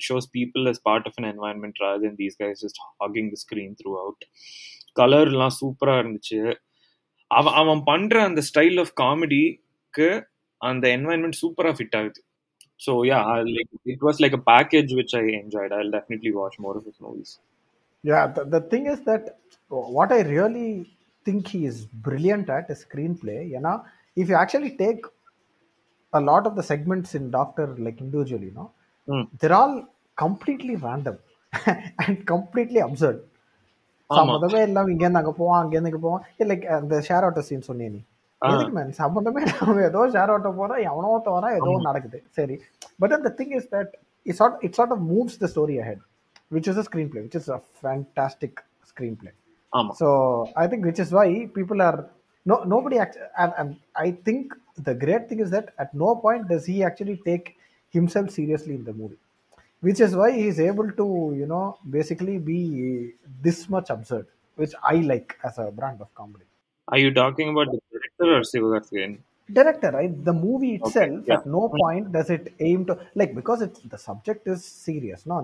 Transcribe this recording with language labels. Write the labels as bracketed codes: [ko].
[en] It shows people as part of an environment rather than these guys just hogging the screen throughout. [ta] கலர்லாம் சூப்பராக இருந்துச்சு. அவன் பண்ற அந்த ஸ்டைல் ஆஃப் காமெடிக்கு அந்த என்வாயன்மெண்ட் சூப்பரா ஃபிட் ஆகுது. [en] So yeah, like it was like a package which I enjoyed. I'll definitely watch more of his movies. Yeah, the thing is that what I really think he is brilliant at is screenplay. Yana, if you actually take a lot of the segments in Doctor like individually, you know, they're all completely random and completely absurd. [ta] சம்மந்தமே இல்லாம இங்க இருந்து அங்க போவோம் அங்க இருந்து போவோம். Like அந்த ஷேர் ஆட்டோ சீன் சொன்னேன், சம்மந்தமே இல்லாம ஏதோ ஷேர் ஆட்டோ போறேன், எவனோ தோறா ஏதோ நடக்குது. [en] சரி, பட் அந்த thing is that it sort of moves the story ahead, which is a screenplay, which is a fantastic screenplay. So I think which is why people are nobody. I think the great thing is that at no point does he actually take himself seriously in the movie. Which is why he is able to, you know, basically be this much absurd, which I like as a brand of comedy. Are you talking about the director or Sivagarthigan? Director, right? The movie itself, okay, yeah. At no point does it aim to, like, because the subject is serious, no?